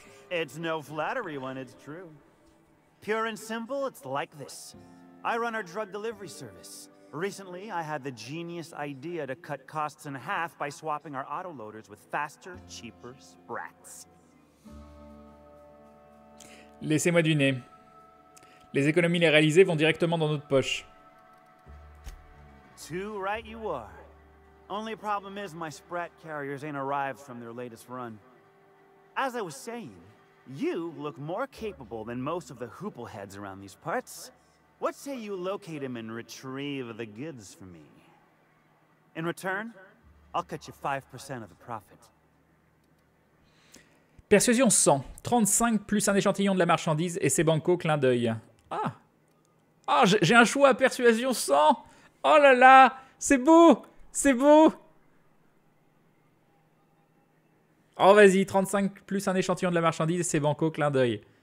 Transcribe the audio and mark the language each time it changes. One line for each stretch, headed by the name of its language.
English: It's no flattery when it's true. Pure and simple, it's like this. I run our drug delivery service. Recently, I had the genius idea to cut costs in half by swapping our autoloaders with faster, cheaper sprats.
French: Laissez-moi deviner. Les économies les réalisées vont directement dans notre poche.
English: Too right you are. Only problem is my sprat carriers ain't arrived from their latest run. As I was saying, you look more capable than most of the hoople heads around these parts. What say you locate him and retrieve the goods for me? In return, I'll cut you 5% of the profit. Persuasion 100.
French: 35 plus un échantillon de la marchandise et c'est banco, clin d'œil. Ah! Ah, j'ai un choix à persuasion 100! Oh là là! C'est beau! C'est beau! Oh, vas-y, 35 plus un échantillon de la marchandise, c'est banco, clin d'œil.